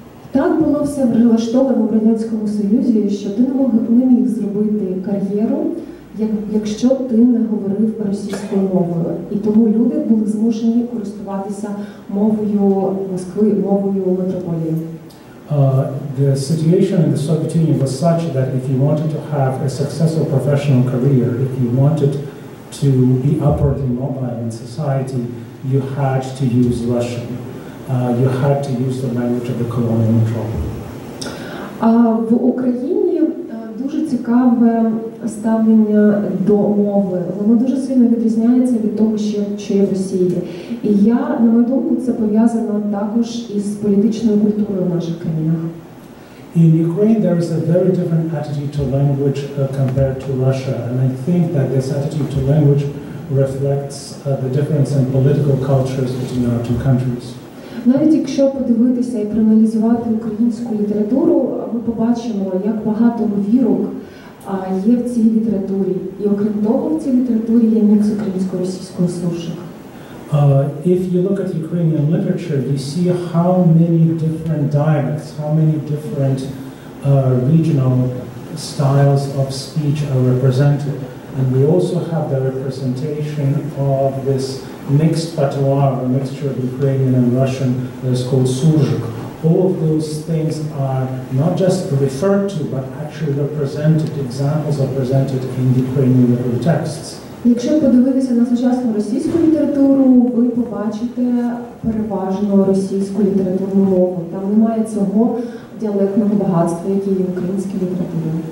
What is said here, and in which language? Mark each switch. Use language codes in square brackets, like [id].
[uk] Так було все прилаштовано в Радянському Союзі, що ти не міг зробити кар'єру, якщо ти не говорив російською мовою. І тому люди були змушені користуватися мовою Москви, мовою метрополії. [en] The situation in the Soviet Union was such that if you wanted to have a successful professional career, if you wanted to be upwardly mobile in society, you had to use Russian. You had to use the language of the colonial metropolis. [uk] В Україні дуже цікаве ставлення до мови. Воно дуже сильно відрізняється від того, що є в Росії. І я, на мою думку, це пов'язано також із політичною культурою в наших країнах. [en] In Ukraine there is a very different attitude to language compared to Russia. And I think that this attitude to language reflects the difference in political cultures between our two countries. [uk] Навіть якщо подивитися і проаналізувати українську літературу, ми побачимо, як багато вірок є в цій літературі. І окрім того, в цій літературі є мікс українсько-російського суржика. [en] If you look at Ukrainian literature, you see how many different dialects, how many different regional styles of speech are represented. And we also have the representation of this mixed patois, a mixture of Ukrainian and Russian, that is called surzhik. All of those things are not just referred to, but actually represented, examples are presented in the Ukrainian literary texts. [uk] Якщо подивитися на сучасну російську літературу, ви побачите переважно російську літературну мову. Там немає цього діалектного багатства, яке є в українській літературі.